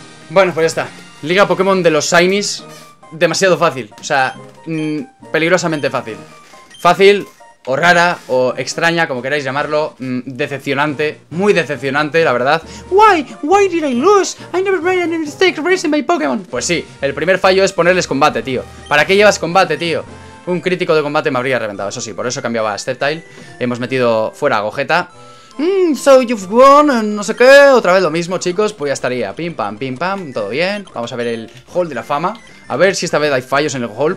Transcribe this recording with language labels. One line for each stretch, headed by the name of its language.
Spanish: Bueno, pues ya está. Liga Pokémon de los Shinies. Demasiado fácil. O sea, peligrosamente fácil. Fácil, o rara, o extraña, como queráis llamarlo. Decepcionante. Muy decepcionante, la verdad.
English: Why? Why did I lose? I never made any mistake raising my Pokémon.
Spanish: Pues sí, el primer fallo es ponerles combate, tío. ¿Para qué llevas combate, tío? Un crítico de combate me habría reventado, eso sí. Por eso cambiaba a Sceptile. Hemos metido fuera a Gogeta.
English: So you've won,
Spanish: no sé qué. Otra vez lo mismo, chicos. Pues ya estaría. Pim, pam, todo bien. Vamos a ver el Hall de la Fama. A ver si esta vez hay fallos en el Hall.